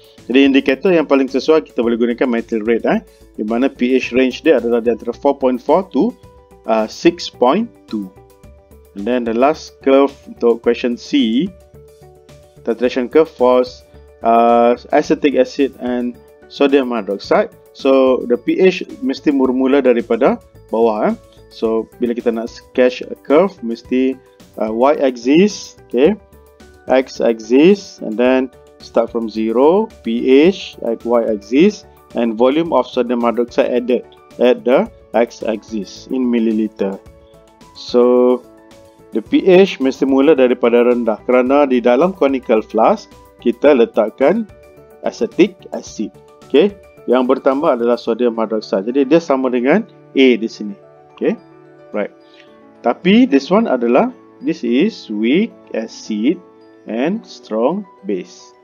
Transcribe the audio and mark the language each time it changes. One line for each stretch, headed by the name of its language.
Malay: Jadi indikator yang paling sesuai kita boleh gunakan methyl rate, di mana pH range dia adalah di antara 4.4 to 6.2.
English: And then the last curve
Malay: untuk
English: question C, titration curve for acetic acid and sodium hydroxide. So the pH
Malay: mesti bermula daripada bawah.
English: So
Malay: bila kita nak
English: sketch a curve,
Malay: mesti
English: y-axis, okay, x-axis, and then start from 0, pH, y-axis, and volume of sodium hydroxide added at the x-axis in milliliter. So the pH
Malay: mesti mula daripada rendah kerana di dalam conical flask kita letakkan acetic acid. Okay, yang bertambah adalah sodium hydroxide, jadi dia sama dengan A di sini.
English: Okay, right.
Malay: Tapi
English: this one
Malay: adalah,
English: this is weak acid and strong base.